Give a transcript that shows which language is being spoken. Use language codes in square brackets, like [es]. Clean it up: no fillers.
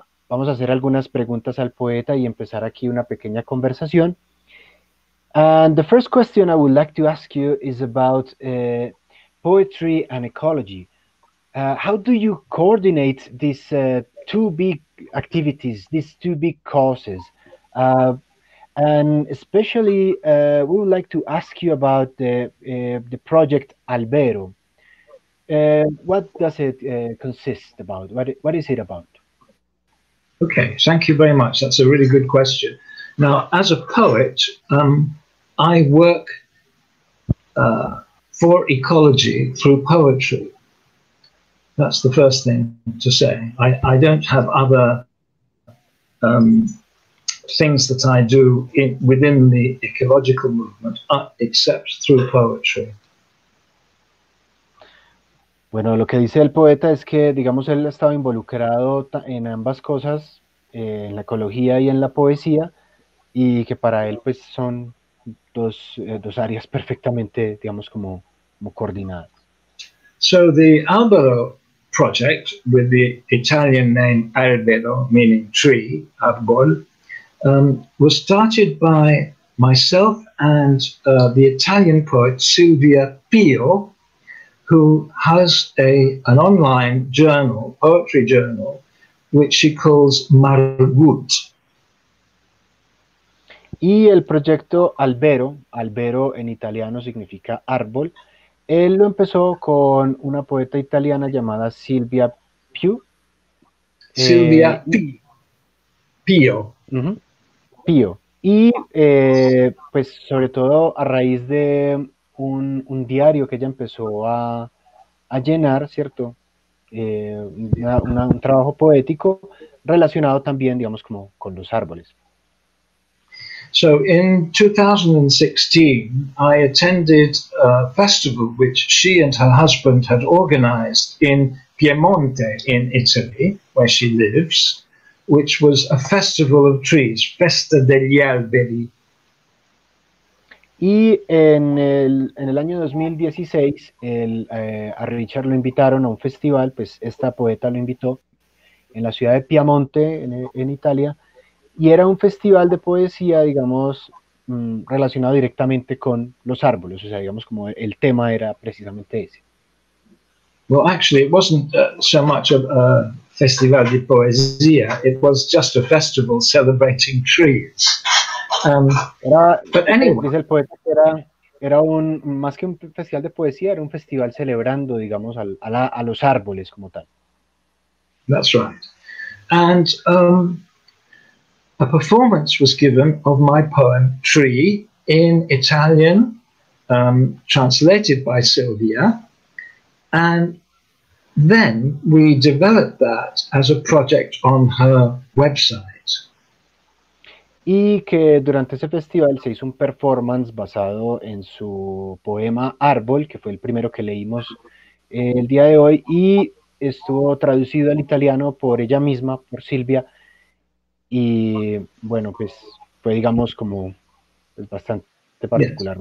[es] Vamos a hacer algunas preguntas al poeta y empezar aquí una pequeña conversación. [en] And the first question I would like to ask you is about poetry and ecology. How do you coordinate these two big activities, these two big causes? And especially, we would like to ask you about the project Albero. What does it consist about? What is it about? Okay, thank you very much. That's a really good question. Now, as a poet, I work for ecology through poetry. That's the first thing to say. I don't have other things that I do within the ecological movement except through poetry. [es] Bueno, lo que dice el poeta es que, digamos, él ha estado involucrado en ambas cosas, en la ecología y en la poesía, y que para él, pues, son dos áreas perfectamente, digamos, como coordinadas. [en] So the Albero project, with the Italian name Albero, meaning tree, árbol, was started by myself and the Italian poet Silvia Pio, who has an online journal, poetry journal, which she calls Margut. [es] Y el proyecto Albero, Albero en italiano significa árbol, él lo empezó con una poeta italiana llamada Silvia Pio. Silvia Pio. Pio. Y pues sobre todo a raíz de un diario que ella empezó a llenar, ¿cierto? Un trabajo poético relacionado también, digamos, como con los árboles. [en] So in 2016, I attended a festival which she and her husband had organized in Piemonte, in Italy, where she lives, which was a festival of trees, Festa degli Alberi. [es] Y en el año 2016, a Richard lo invitaron a un festival, pues esta poeta lo invitó, en la ciudad de Piamonte, en Italia, y era un festival de poesía, digamos, relacionado directamente con los árboles, o sea, digamos, como el tema era precisamente ese. [en] Well, actually, it wasn't so much of a [es] festival de poesía, [en] it was just a festival celebrating trees. [es] Dice el poeta que era un más que un festival de poesía, era un festival celebrando, digamos, a los árboles como tal. [en] That's right. And a performance was given of my poem Tree in Italian, translated by Silvia, and then we developed that as a project on her website. [es] y que durante ese festival se hizo un performance basado en su poema Árbol, que fue el primero que leímos el día de hoy, y estuvo traducido al italiano por ella misma, por Silvia, y bueno, pues fue, digamos, como pues, bastante particular, yes.